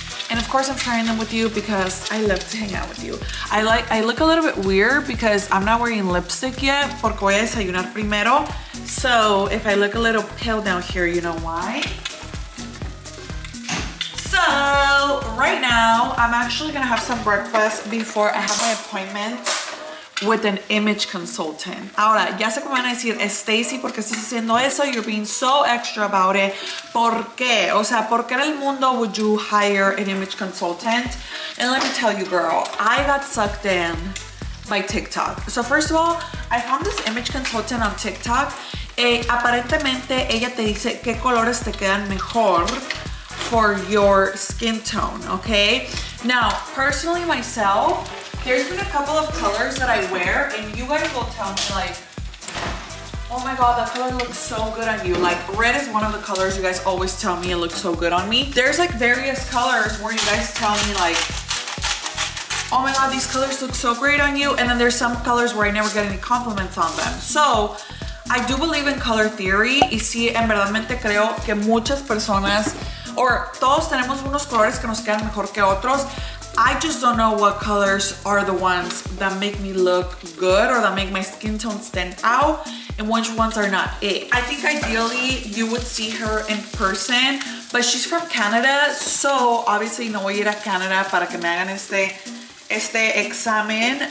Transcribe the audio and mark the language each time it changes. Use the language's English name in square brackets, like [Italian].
[English] And of course I'm sharing them with you because I love to hang out with you. I look a little bit weird because I'm not wearing lipstick yet [Spanish] porque voy a desayunar primero. [English] So if I look a little pale down here, you know why? So right now I'm actually gonna have some breakfast before I have my appointment with an image consultant. [Spanish] Ahora, ya sé cómo van a decir, Stacey, ¿por qué estás haciendo eso? [English] You're being so extra about it. [Spanish] ¿Por qué? O sea, ¿por qué en el mundo [English] would you hire an image consultant? And let me tell you, girl, I got sucked in by TikTok. So first of all, I found this image consultant on TikTok. [Spanish] Aparentemente, ella te dice qué colores te quedan mejor [English] for your skin tone, okay? Now, personally, myself, there's been a couple of colors that I wear, and you guys will tell me like, oh my God, that color looks so good on you. Like, red is one of the colors you guys always tell me it looks so good on me. There's like various colors where you guys tell me like, oh my God, these colors look so great on you. And then there's some colors where I never get any compliments on them. So I do believe in color theory. [Spanish] Y sí, en verdadmente creo que muchas personas, or todos tenemos unos colores que nos quedan mejor que otros. [English] I just don't know what colors are the ones that make me look good or that make my skin tone stand out and which ones are not it. I think ideally you would see her in person, but she's from Canada, so obviously [Spanish] no voy a ir a Canada para que me hagan este examen.